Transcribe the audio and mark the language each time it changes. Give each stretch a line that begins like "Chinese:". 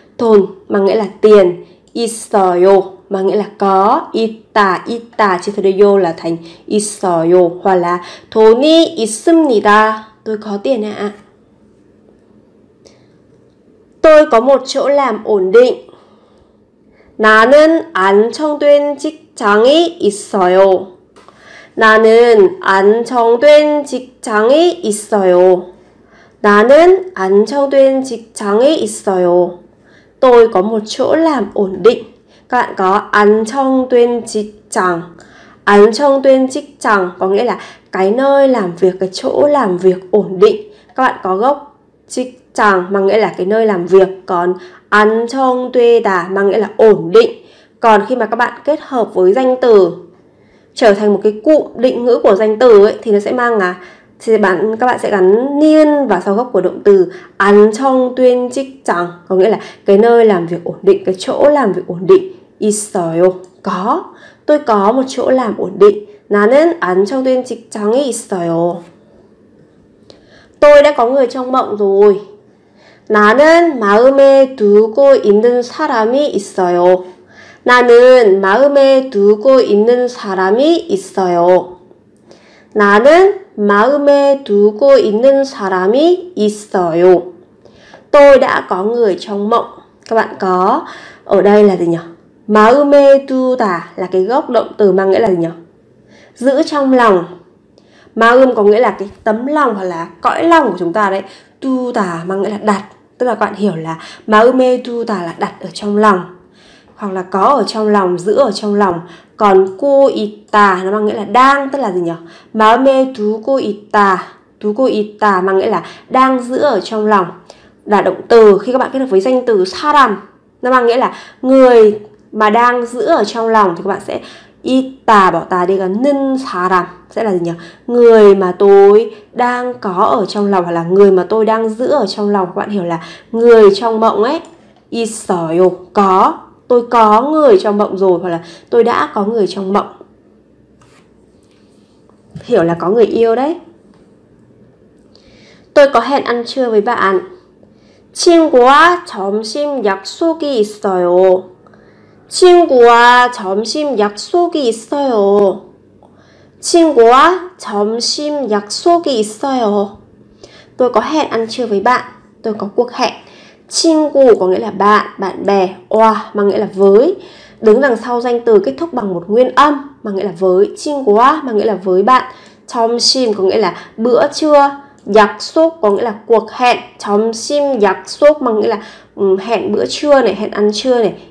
Vietnamese: 돈 mà nghĩa là tiền. 있어요 mà nghĩa là có. 있다, 있다 chia theo 요 là thành 있어요, hoặc là
Korean: 돈이 있습니다.
Vietnamese: Tôi có tiền ạ. À. Tôi có một chỗ làm ổn định.
Korean: 나는 안정된 직장이 있어요. 나는 안정된 직장이 있어요. 나는 안정된 직장이 있어요.
Vietnamese: Tôi có một chỗ làm ổn định. Các bạn có 안정된 직장. 안정된 직장 có nghĩa là cái nơi làm việc, cái chỗ làm việc ổn định. Các bạn có gốc 직장 mà nghĩa là cái nơi làm việc, còn 안정되다 mà nghĩa là ổn định. Còn khi mà các bạn kết hợp với danh từ trở thành một cái cụm định ngữ của danh từ ấy, thì nó sẽ mang các bạn sẽ gắn niên vào sau gốc của động từ 안정된 직장 có nghĩa là cái nơi làm việc ổn định, cái chỗ làm việc ổn định. 있어요 có, tôi có một chỗ làm ổn định.
Korean: 나는 안정된 직장이 있어요.
Vietnamese: Tôi đã có người trong mộng rồi.
Korean: 나는 마음에 두고 있는 사람이 있어요. 나는 마음에 두고 있는 사람이 있어요. 나는 마음에 두고 있는 사람이 있어요.
Vietnamese: Tôi đã có người trong mộng. Các bạn có ở đây là gì nhỉ? 마음에 두다 là cái gốc động từ mang nghĩa là gì nhỉ? Giữ trong lòng. 마음 có nghĩa là cái tấm lòng hoặc là cõi lòng của chúng ta đấy. 두다 mang nghĩa là đặt. Tức là các bạn hiểu là 마음에 두다 là đặt ở trong lòng, hoặc là có ở trong lòng, giữ ở trong lòng. Còn 고 있다 nó mang nghĩa là đang, tức là gì nhỉ?
Korean: 마음에 두고 있다,
Vietnamese: 두고 있다 mang nghĩa là đang giữ ở trong lòng. Là động từ khi các bạn kết hợp với danh từ 사람, nó mang nghĩa là người mà đang giữ ở trong lòng, thì các bạn sẽ 있다 bỏ 다 đi gần 는 사람 sẽ là gì nhỉ? Người mà tôi đang có ở trong lòng, hoặc là người mà tôi đang giữ ở trong lòng. Các bạn hiểu là người trong mộng ấy, 있어요, có. Tôi có người trong mộng rồi, hoặc là tôi đã có người trong mộng. Hiểu là có người yêu đấy. Tôi có hẹn ăn trưa với bạn.
Korean: 친구와 점심 약속이 있어요. 친구와 점심 약속이 있어요. 친구와 점심 약속이 있어요.
Vietnamese: Tôi có hẹn ăn trưa với bạn. Tôi có cuộc hẹn. 친구 có nghĩa là bạn, bạn bè. 와 mang nghĩa là với. Đứng đằng sau danh từ kết thúc bằng một nguyên âm mang nghĩa là với. 친구와 mang nghĩa là với bạn. 점심 có nghĩa là bữa trưa. 약속 có nghĩa là cuộc hẹn. 점심 약속 mang nghĩa là hẹn bữa trưa này, hẹn ăn trưa này.